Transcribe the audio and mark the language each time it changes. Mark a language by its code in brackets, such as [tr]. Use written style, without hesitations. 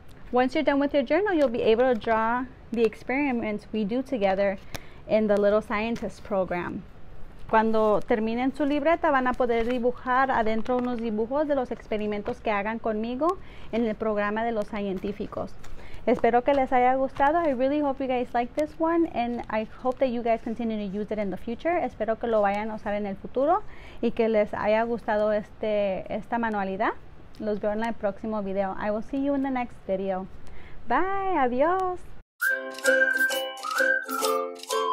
[en] Once you're done with your journal, you'll be able to draw the experiments we do together in the Little Scientist program. [es] Cuando terminen su libreta, van a poder dibujar adentro unos dibujos de los experimentos que hagan conmigo en el programa de los científicos. Espero que les haya gustado. [en] I really hope you guys like this one, and I hope that you guys continue to use it in the future. [es] Espero que lo vayan a usar en el futuro y que les haya gustado esta manualidad. Los veo en el próximo video. [en] I will see you in the next video. Bye. Adiós.